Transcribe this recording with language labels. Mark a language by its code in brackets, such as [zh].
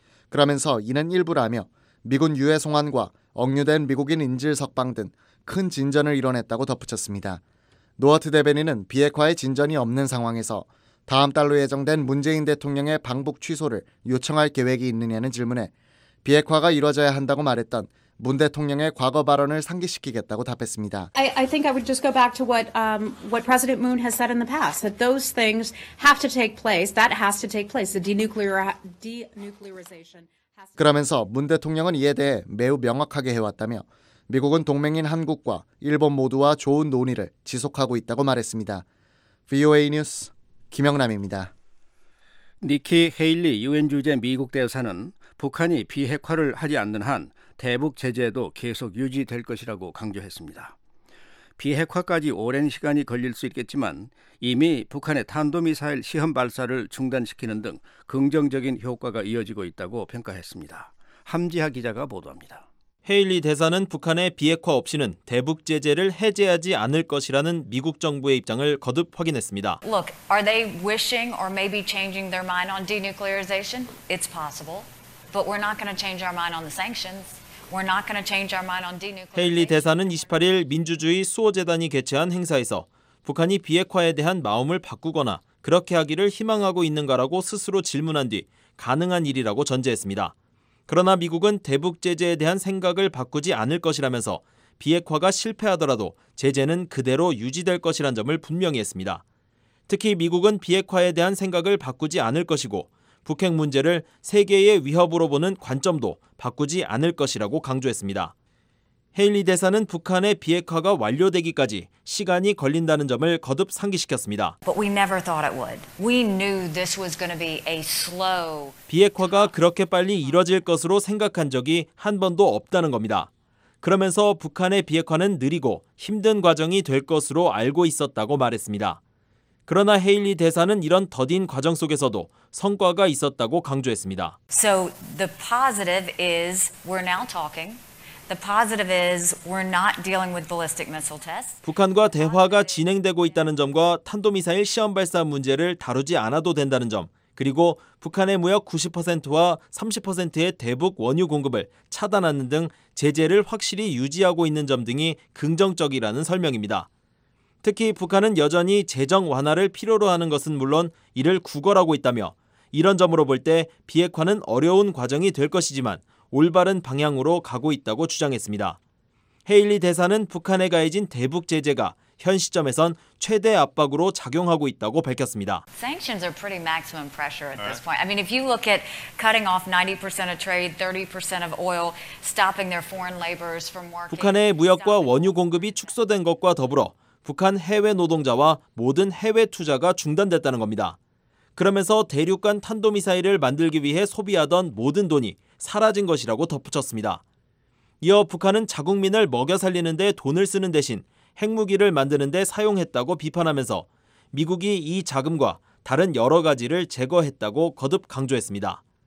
[ko] 그러면서 이는 일부라며 미군 유해 송환과 억류된 미국인 인질 석방 등 큰 진전을 이뤄냈다고 덧붙였습니다. 노어트 대변인은 비핵화의 진전이 없는 상황에서 다음 달로 예정된 문재인 대통령의 방북 취소를 요청할 계획이 있느냐는 질문에 비핵화가 이뤄져야 한다고 말했던 문 대통령의 과거 발언을 상기시키겠다고 답했습니다. [en] I think I would just go back to what President Moon has said in the past that those things have to take place. That has to take place. The denuclearization. [ko] 그러면서 문 대통령은 이에 대해 매우 명확하게 해왔다며 미국은 동맹인 한국과 일본 모두와 좋은 논의를 지속하고 있다고 말했습니다. VOA 뉴스 김영남입니다. 니키 헤일리 유엔 주재 미국 대사는 북한이 비핵화를 하지 않는 한 대북 제재도 계속 유지될 것이라고 강조했습니다. 비핵화까지 오랜 시간이 걸릴 수 있겠지만 이미 북한의 탄도미사일 시험 발사를 중단시키는 등 긍정적인 효과가 이어지고 있다고 평가했습니다. 함지하 기자가 보도합니다. 헤일리 대사는 북한의 비핵화 없이는 대북 제재를 해제하지 않을 것이라는 미국 정부의 입장을 거듭 확인했습니다. [en] Look, are they wishing or maybe changing their mind on denuclearization? It's possible. But we're not going to change our mind on the sanctions. We're not going to change our mind on denuclearization. [ko] 헤일리 대사는 28일 민주주의 수호 재단이 개최한 행사에서 북한이 비핵화에 대한 마음을 바꾸거나 그렇게 하기를 희망하고 있는가라고 스스로 질문한 뒤 가능한 일이라고 전제했습니다. 그러나 미국은 대북 제재에 대한 생각을 바꾸지 않을 것이라면서 비핵화가 실패하더라도 제재는 그대로 유지될 것이란 점을 분명히 했습니다. 특히 미국은 비핵화에 대한 생각을 바꾸지 않을 것이고 북핵 문제를 세계의 위협으로 보는 관점도 바꾸지 않을 것이라고 강조했습니다. 헤일리 대사는 북한의 비핵화가 완료되기까지 시간이 걸린다는 점을 거듭 상기시켰습니다. [en] But we never thought it would. We knew this was going to be a slow. [ko] 비핵화가 그렇게 빨리 이뤄질 것으로 생각한 적이 한 번도 없다는 겁니다. 그러면서 북한의 비핵화는 느리고 힘든 과정이 될 것으로 알고 있었다고 말했습니다. 그러나 헤일리 대사는 이런 더딘 과정 속에서도 성과가 있었다고 강조했습니다. [en] So the positive is we're now talking. The positive is we're not dealing with ballistic missile tests. [ko] 북한과 대화가 진행되고 있다는 점과 탄도미사일 시험 발사 문제를 다루지 않아도 된다는 점, 그리고 북한의 무역 90%와 30%의 대북 원유 공급을 차단하는 등 제재를 확실히 유지하고 있는 점 등이 긍정적이라는 설명입니다. 특히 북한은 여전히 재정 완화를 필요로 하는 것은 물론 이를 구걸하고 있다며 이런 점으로 볼 때 비핵화는 어려운 과정이 될 것이지만 올바른 방향으로 가고 있다고 주장했습니다. 헤일리 대사는 북한에 가해진 대북 제재가 현 시점에선 최대 압박으로 작용하고 있다고 밝혔습니다. [en] Sanctions are pretty maximum pressure at this point. I mean, if you look at cutting off 90% of trade, 30% of oil, stopping their foreign laborers from working. [ko] 북한의 무역과 원유 공급이 축소된 것과 더불어 북한 해외 노동자와 모든 해외 투자가 중단됐다는 겁니다. 그러면서 대륙간 탄도미사일을 만들기 위해 소비하던 모든 돈이 사라진 것이라고 덧붙였습니다. 이어 북한은 자국민을 먹여 살리는 데 돈을 쓰는 대신 핵무기를 만드는 데 사용했다고 비판하면서 미국이 이 자금과 다른 여러 가지를 제거했다고 거듭 강조했습니다.